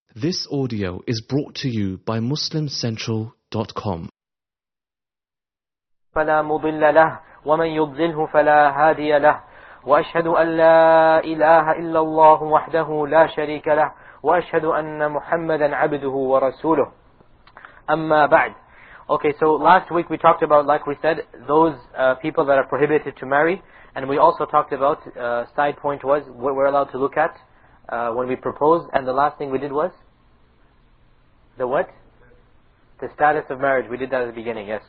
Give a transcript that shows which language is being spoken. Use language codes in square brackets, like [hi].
[en] This audio is brought to you by MuslimCentral.com. [ar] فلا مضل له ومن يضلله فلا هادي له وأشهد أن لا إله إلا الله وحده لا شريك له وأشهد أن محمدا عبده ورسوله أما بعد. [en] Okay, so last week we talked about, like we said, those people that are prohibited to marry, and we also talked about side point was what we're allowed to look at when we propose, and the last thing we did was the what? The status of marriage. We did that at the beginning, yes.